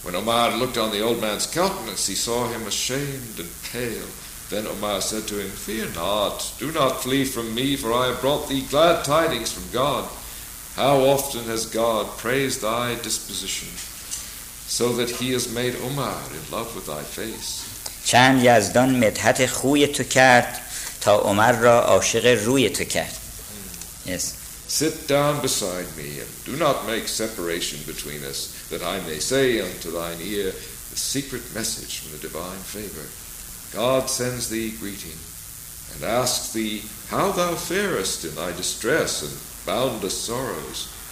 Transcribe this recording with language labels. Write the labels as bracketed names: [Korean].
[English] When Omar looked on the old man's countenance, he saw him ashamed and pale. Then Omar said to him, "Fear not, do not flee from me, for I have brought thee glad tidings from God. How often has God praised thy disposition, so that he has made Omar in love with thy face." [Persian] چند یزدان مدحت خوی تو کرد تا عمر را عاشق روی تو کرد. [English] Yes. "Sit down beside me and do not make separation between us, that I may say unto thine ear the secret message from the divine favor. God sends thee greeting and asks thee how thou farest in thy distress and boundless sorrows.